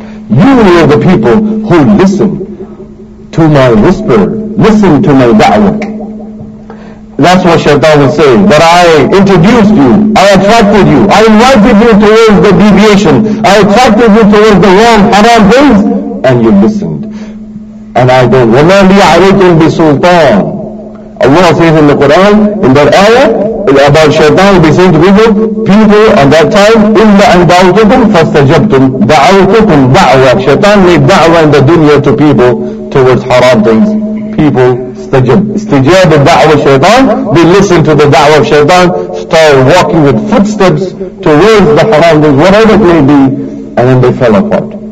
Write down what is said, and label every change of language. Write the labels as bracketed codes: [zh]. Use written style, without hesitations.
[en] You are the people who listen to my whisper, listen to my da'wah. That's what Shaitan will say, that I introduced you, I attracted you, I invited you towards the deviation, I attracted you towards the wrong, haram things, and you listened. And I don't, [ar] وَمَا لِيَ عَلَيْكُمْ بِسُلْطَانِ. [en] Allah says in the Quran, in that ayah, about Shaitan will be saying to people at that time, [ar] إِلَّا أَنْ دَعُوتُكُمْ فَاسْتَجَبْتُمْ. دَعُوتُكُمْ دَعْوَةً. [en] Shaitan made da'wah in the dunya to people towards haram things. People استجاب the da'wah of shaitan, they listen to the da'wah of shaitan, start walking with footsteps towards the haram, whatever it may be, and then they fell apart.